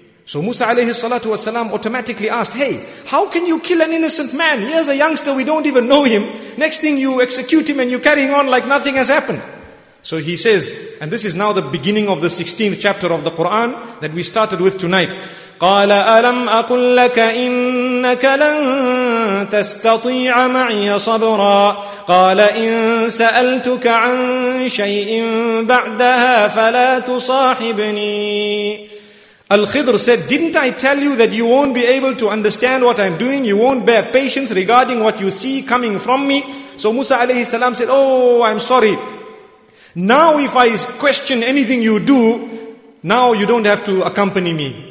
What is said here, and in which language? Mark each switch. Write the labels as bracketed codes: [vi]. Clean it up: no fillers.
[en] So Musa alayhi salatu wasalam automatically asked, hey, how can you kill an innocent man? Here's a youngster, we don't even know him. Next thing you execute him and you're carrying on like nothing has happened. So he says, and this is now the beginning of the 16th chapter of the Quran that we started with tonight. [ar] قال ألم أقل لك إنك لن تستطيع معي صبرا قال إن سألتك عن شيء بعدها فلا تصاحبني. [en] Al-Khidr said, didn't I tell you that you won't be able to understand what I'm doing? You won't bear patience regarding what you see coming from me? So Musa alayhi salam said, oh, I'm sorry. Now if I question anything you do, now you don't have to accompany me.